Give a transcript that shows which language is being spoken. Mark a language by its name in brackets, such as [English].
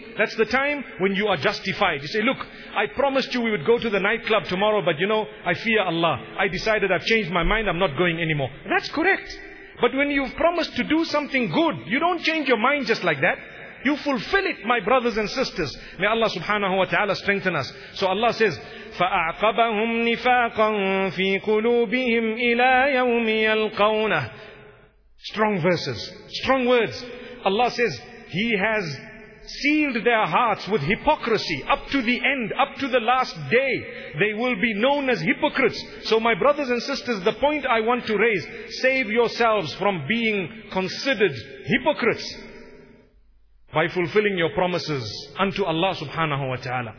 [English] That's the time when you are justified. You say, look, I promised you we would go to the nightclub tomorrow, but you know, I fear Allah. I decided I've changed my mind, I'm not going anymore. That's correct. But when you've promised to do something good, you don't change your mind just like that. You fulfill it, my brothers and sisters. May Allah subhanahu wa ta'ala strengthen us. [Arabic] So Allah says, فَأَعْقَبَهُمْ نِفَاقًا فِي قُلُوبِهِمْ إِلَىٰ يَوْمِ يَلْقَوْنَهِ. [English] Strong verses, strong words. Allah says, He has sealed their hearts with hypocrisy up to the end, up to the last day. They will be known as hypocrites. So my brothers and sisters, the point I want to raise, save yourselves from being considered hypocrites by fulfilling your promises unto Allah subhanahu wa ta'ala.